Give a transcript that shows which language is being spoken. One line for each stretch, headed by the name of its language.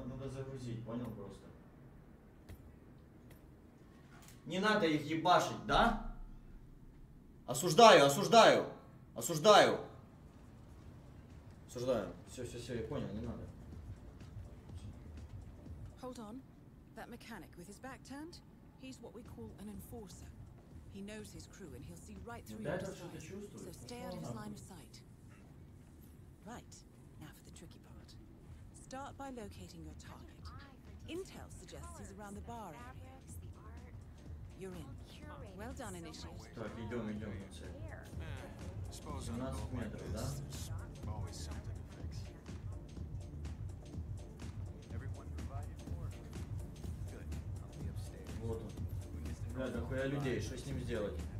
Russian: Вам надо загрузить, понял просто. Не надо их ебашить, да? Осуждаю, осуждаю. Осуждаю. Осуждаю. Все, все, все, я понял, не надо.
English: Hold on. That mechanic with his back turned, he's what we call an enforcer. He knows his crew and he'll see right through your disguise. So stay out of his line of sight. Right, now for the tricky part. Start by locating your target. Intel suggests he's around the bar area. You're in. Well done, initiate.
Russian: Так, идем, идем. 17 метров, да?
English: Always something to fix. Everyone provided more. Good. I'll be upstairs.
Russian: Вот он. Бля, да хуя людей, что с ним сделать?